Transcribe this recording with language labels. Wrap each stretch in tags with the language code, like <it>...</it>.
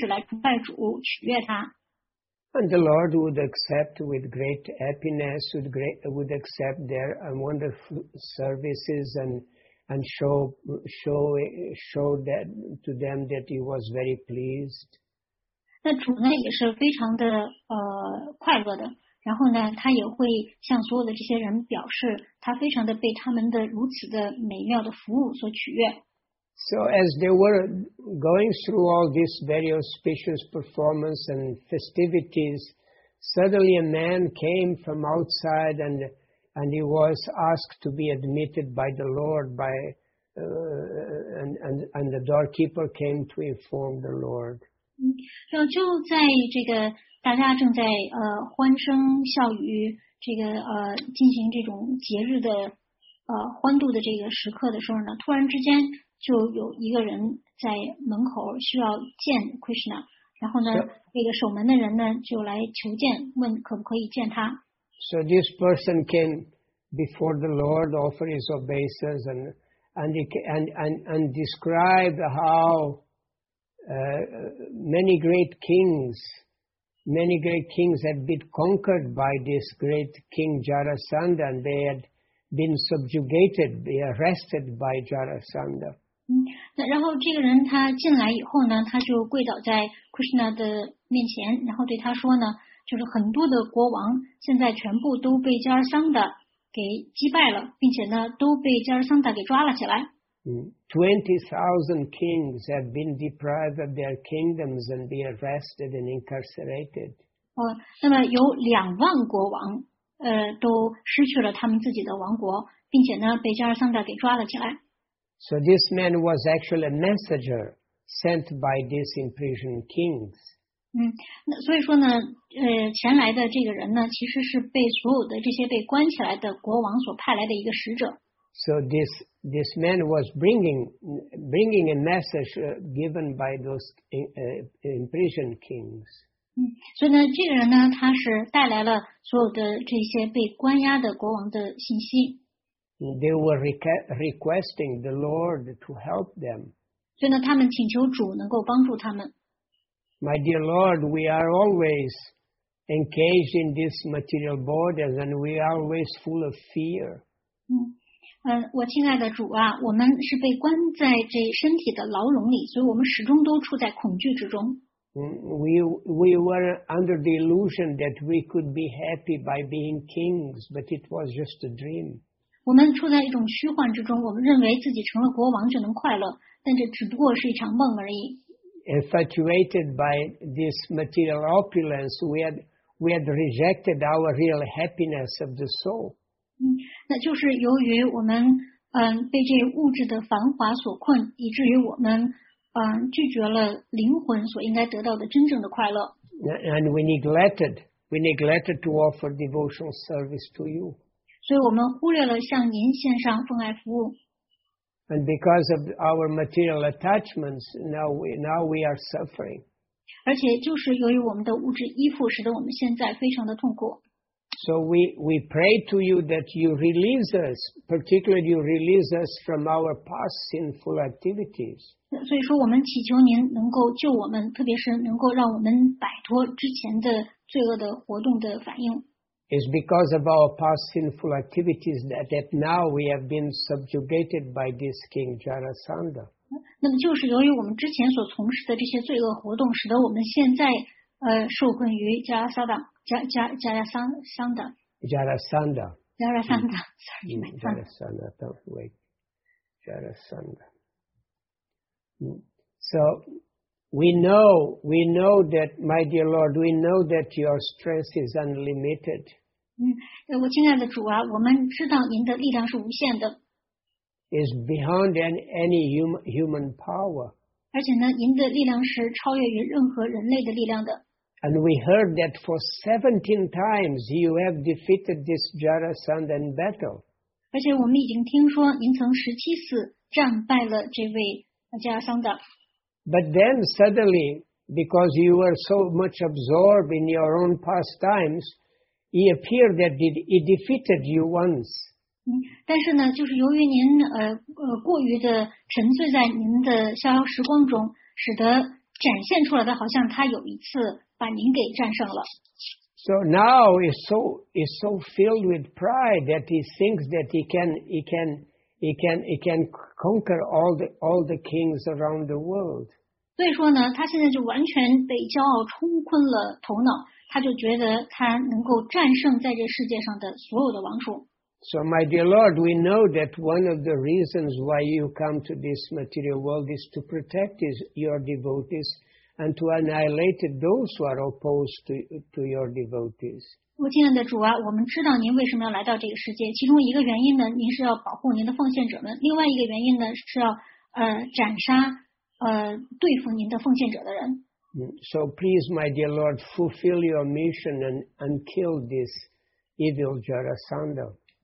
<zh>所以说呢，就以这样的方式，所有的这些臣民们呢，就会以各种各样的方式来崇拜主，取悦他。</zh> <en>And the Lord would accept with great happiness, would accept their wonderful services and show that to them that he was very pleased.</en> <zh>那主呢也是非常的快乐的，然后呢他也会向所有的这些人表示他非常的被他们的如此的美妙的服务所取悦。</zh> <en>So as they were going through all these various auspicious performance and festivities, suddenly a man came from outside and he was asked to be admitted by the Lord and the doorkeeper came to inform the Lord.</en> <zh>就在这个大家正在欢声笑语这个进行这种节日的欢度的这个时刻的时候呢，突然之间就有一个人在门口需要见 Krishna， 然后呢那个守门的人呢就来求见，问可不可以见他。</zh> <en>So this person came before the Lord, offered his obeisances, and described how many great kings had been conquered by this great king Jarasandha, and they had been subjugated, be arrested by Jarasandha.</en> <zh>然后这个人他进来以后呢，他就跪倒在 Krishna 的面前，然后对他说呢，就是很多的国王现在全部都被加尔桑达给击败了，并且呢都被加尔桑达给抓了起来。</zh> <en>20,000 kings have been deprived of their kingdoms and be arrested and incarcerated.</en> <zh>那么有20,000国王都失去了他们自己的王国，并且呢被加尔桑达给抓了起来。</zh> <en>So this man was actually a messenger sent by these imprisoned kings.</en> <zh>所以说呢，前来的这个人呢，其实是被所有的这些被关起来的国王所派来的一个使者。</zh> <en>So this man was bringing a message given by those imprisoned kings.</en> <zh>所以呢，这个人呢，他是带来了所有的这些被关押的国王的信息。</zh> <en>They were requesting the Lord to help them.</en> <zh>所以呢，他们请求主能够帮助他们。</zh> <en>My dear Lord, we are always engaged in this material body, and we are always full of fear.</en> <zh>我亲爱的主啊，我们是被关在这身体的牢笼里，所以我们始终都处在恐惧之中。</zh> <en>We were under the illusion that we could be happy by being kings, but it was just a dream.</en> <zh>我们处在一种虚幻之中，我们认为自己成了国王就能快乐，但这只不过是一场梦而已。</zh> <en>Infatuated by this material opulence, we had rejected our real happiness of the soul.</en> <zh>那就是由于我们被这物质的繁华所困，以至于我们拒绝了灵魂所应该得到的真正的快乐。</zh> <en>And we neglected to offer devotional service to you.</en> <zh>所以我们忽略了向您献上奉爱服务。</zh> <en>And because of our material attachments, now we are suffering.</en> <zh>而且就是由于我们的物质依附，使得我们现在非常的痛苦。</zh> <en>So we pray to you that you release us, particularly you release us from our past sinful activities.</en> <zh>所以说我们祈求您能够救我们，特别是能够让我们摆脱之前的罪恶的活动的反应。</zh> <en>It's because of our past sinful activities that now we have been subjugated by this king Jarasandha.</en> <zh>那么就是由于我们之前所从事的这些罪恶活动，使得我们现在受困于加拉桑达加加加拉桑桑达。</zh> <en>Jarasandha. Jarasandha. Jarasandha. Don't wait. Jarasandha. So. We know that, my dear Lord, we know that your strength is unlimited.</en> <zh>我亲爱的主啊，我们知道您的力量是无限的。</zh> <en>Is beyond any human power.</en> <zh>而且呢，您的力量是超越于任何人类的力量的。</zh> <en>And we heard that for 17 times you have defeated this Jarasandha in battle.</en> <zh>而且我们已经听说您曾17次战败了这位加拉桑达。</zh> <en>But then suddenly, because you were so much absorbed in your own pastimes, he appeared that he defeated you once.</en> <zh>但是呢，就是由于您过于的沉醉在您的逍遥时光中，使得展现出来的好像他有一次把您给战胜了。</zh> <en>So now he's so filled with pride that he thinks that he can conquer all the kings around the world.</en> <zh>所以说呢，他现在就完全被骄傲冲昏了头脑，他就觉得他能够战胜在这世界上的所有的王储。</zh> <en>So my dear Lord, we know that one of the reasons why you come to this material world is to protect your devotees and to annihilate those who are opposed to your devotees.</en> <zh>我亲爱的主啊，我们知道您为什么要来到这个世界，其中一个原因呢，您是要保护您的奉献者们，另外一个原因呢，是要斩杀对付您的奉献者的人。</zh> <en>So please, my dear Lord, fulfill your mission and kill this evil Jarasandha.</en>